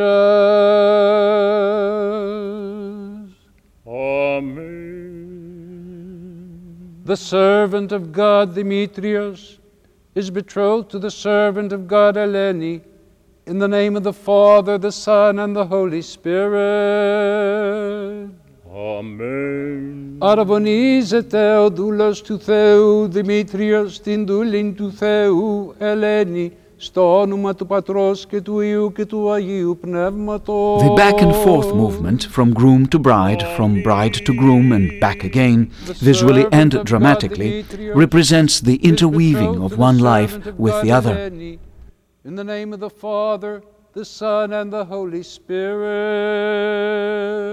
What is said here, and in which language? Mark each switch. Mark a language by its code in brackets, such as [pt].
[en] Amen. The servant of God, Demetrios, is betrothed to the servant of God, Eleni, in the name of the Father, the Son, and the Holy Spirit. Amen. [el] Αραβωνίζεται ο δούλος του Θεού Δημήτριος την δούλην του Θεού Ελένη στο όνομα του Πατρός και του Υιού και του Αγίου Πνεύματος. [en] The back and forth movement from groom to bride, from bride to groom and back again, visually and dramatically, represents the interweaving of one life with the other. In the name of the Father, the Son, and the Holy Spirit.